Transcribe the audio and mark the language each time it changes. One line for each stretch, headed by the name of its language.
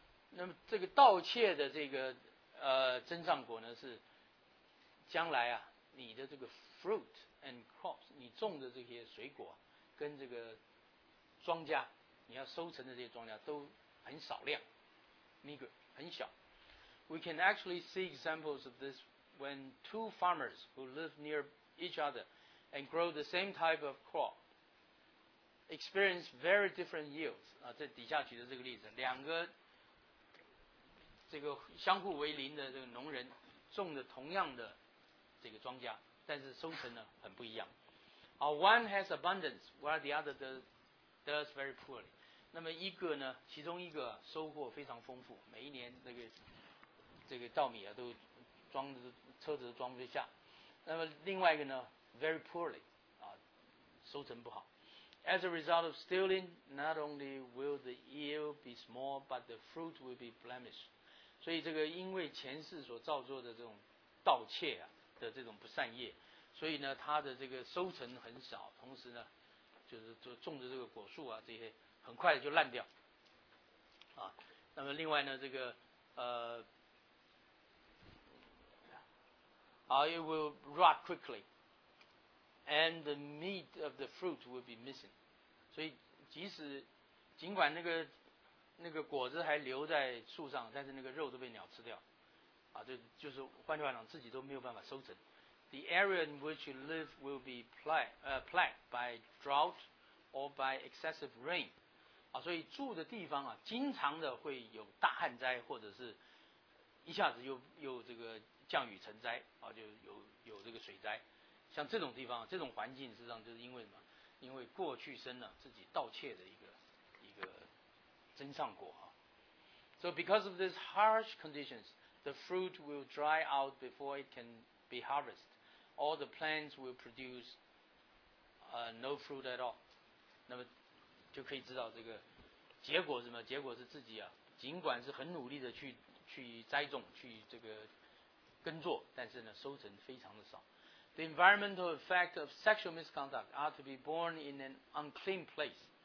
Chinese: 那么这个盗窃的这个增上果呢，是将来啊你的这个
English: fruit and crops，
Chinese: 你种的这些水果跟这个庄稼，你要收成的这些庄稼都很少量，
English: meager，
Chinese: 很小。
English: We can actually see examples of this when two farmers who live near each other and grow the same type of crop experience very different yields。
Chinese: 啊，在底下举的这个例子，两个这个相互为邻的这个农人种的同样的这个庄稼，但是收成呢很不一样。
English: One has abundance, while the other does very poorly.
Chinese: 那么一个呢，其中一个收获非常丰富，每一年这个稻米啊都装着车子都装不下。那么另外一个呢 ，
English: very poorly，
Chinese: 啊，收成不好。
English: As a result of stealing, not only will the yield be small, but the fruit will be blemished.
Chinese: 所以这个因为前世所造作的这种盗窃啊的这种不善业，所以呢，他的这个收成很少，同时呢，就是种的这个果树啊，这些很快就烂掉，啊，那么另外呢，这个
English: It will rot quickly, and the meat of the fruit will be missing.
Chinese: 所以尽管那个果子还留在树上，但是那个肉都被鸟吃掉，啊，就是换句话讲，自己都没有办法收成。
English: The area in which you live will be plagued by drought or by excessive rain.
Chinese: 啊，所以住的地方啊，经常的会有大旱灾，或者是一下子又这个降雨成灾啊，就有这个水灾。像这种地方，这种环境，实际上就是因为什么？因为过去生呢，自己盗窃的一个增上果啊。
English: So because of these harsh conditions, the fruit will dry out before it can be harvested. All the plants will produce no fruit at all.
Chinese: 那么就可以知道这个结果是什么？结果是自己啊，尽管是很努力的去栽种，去这个耕作，但是呢，收成非常的少。
English: The environmental effect of sexual misconduct are to be born in an unclean place.